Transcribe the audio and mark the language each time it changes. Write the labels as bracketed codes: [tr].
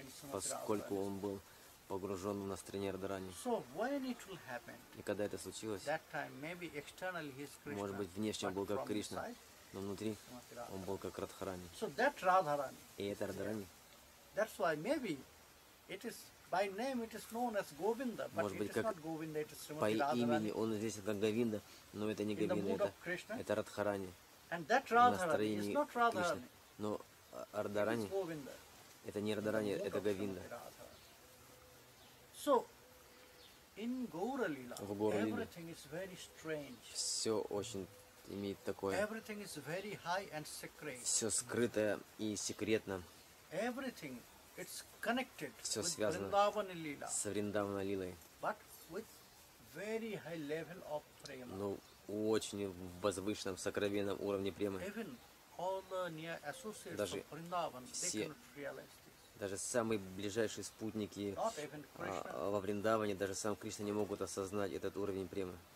[ru] Поскольку он был погружен в настроение Радхарани. [en] So, when it will happen, [ru] и когда это случилось, [en] that time, maybe externally he is Krishna, [ru] может быть, внешне он был как Кришна, но внутри он был как Радхарани. [en] So that Radharani. [ru] И это Радхарани. [en] That's why maybe it is by name it is known as Govinda, but [ru] может быть, [en] it is not Govinda, it is Srimati [ru] по [en] Radharani. [ru] Имени он здесь как Говинда, но это не Говинда, это Радхарани. [en] And that Radharani is not Radharani. [ru] Но Радхарани это не Радхарани, это Говинда. [en] So in Gaura Lila, [ru] в Гаура Лиле [en] everything is very strange. [ru] Все очень имеет такое. [en] Everything is very high and secret. [ru] Все скрыто и секретно. [en] Everything, it's connected. [ru] Все связано с Вриндавана Лилой. [en] But with very high level of prema. [ru] Но очень в возвышенном, сокровенном уровне премы. [en] Even all the near associates [ru] даже [en] of Vrindavan, they can realize this. [ru] Даже самые ближайшие спутники во Вриндаване, даже сам Кришна не могут осознать этот уровень премы.